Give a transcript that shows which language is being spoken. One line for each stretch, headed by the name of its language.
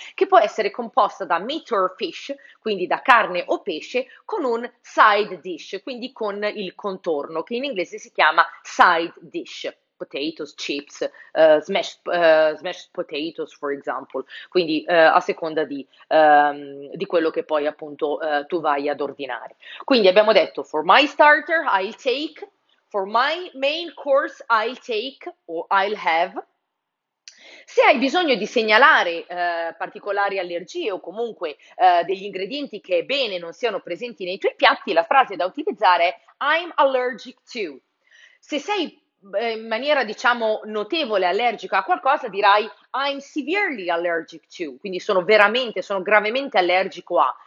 Italian: che può essere composta da
English: meat or fish,
Italian: quindi da carne o pesce, con un side dish, quindi con il contorno, che in inglese si chiama side dish,
English: potatoes, chips, smashed potatoes, for example,
Italian: quindi a seconda di quello che poi appunto tu vai ad ordinare. Quindi abbiamo detto
English: for my starter I'll take, for my main course I'll take
Italian: o
English: I'll have.
Italian: Se hai bisogno di segnalare particolari allergie o comunque degli ingredienti che bene non siano presenti nei tuoi piatti, la frase da utilizzare è
English: I'm allergic to.
Italian: Se sei in maniera diciamo notevole allergica a qualcosa, dirai
English: I'm severely allergic to,
Italian: quindi sono gravemente allergico a.